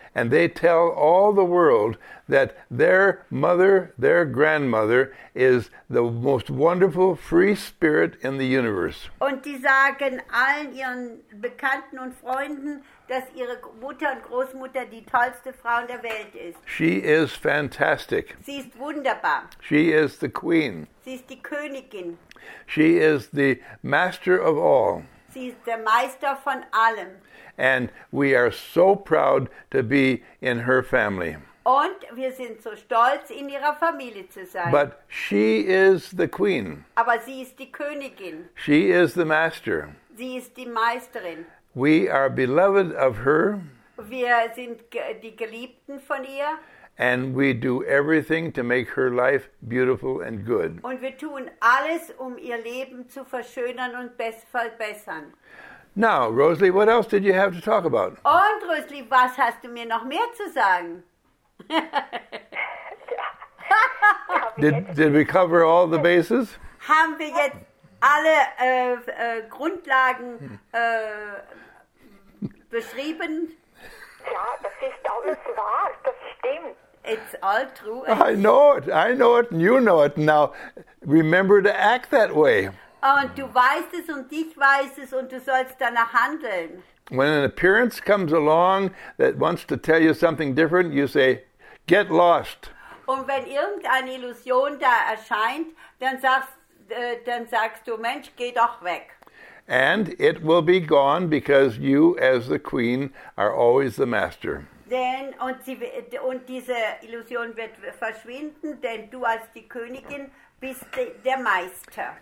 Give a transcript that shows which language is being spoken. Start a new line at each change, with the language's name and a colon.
English: And they tell all the world that their mother, their grandmother, is the most wonderful free spirit in the universe.
German: Und die sagen allen ihren Bekannten und Freunden, dass ihre Mutter und Großmutter die tollste Frau in der Welt ist.
English: She is fantastic.
German: Sie ist wunderbar.
English: She is the queen.
German: Sie ist die Königin.
English: She is the master of all.
German: Sie ist der Meister von allem.
English: And we are so proud to be in her family.
German: Und wir sind so stolz, in ihrer Familie zu sein.
English: But she is the queen.
German: Aber sie ist die Königin.
English: She is the master.
German: Sie ist die Meisterin.
English: We are beloved of her.
German: Wir sind die Geliebten von ihr.
English: And we do everything to make her life beautiful and good.
German: Und wir tun alles, um ihr Leben zu verschönern und verbessern.
English: Now, Rosalie, what else did you have to talk about?
German: Und Rosalie, was hast du mir noch mehr zu sagen?
English: Did we cover all the bases?
German: Haben wir jetzt alle Grundlagen beschrieben? Ja, das ist alles wahr, das stimmt.
English: It's all true. I know it, and you know it. Now, remember to act that way.
German: Und du weißt es, und ich weiß es, und du sollst danach handeln.
English: When an appearance comes along that wants to tell you something different, you say, get lost.
German: Und wenn irgendeine Illusion da erscheint, dann sagst du, Mensch, geh doch weg.
English: And it will be gone because you, as the queen, are always the master.
German: Denn, und diese Illusion wird verschwinden, denn du als die Königin bist der Meister.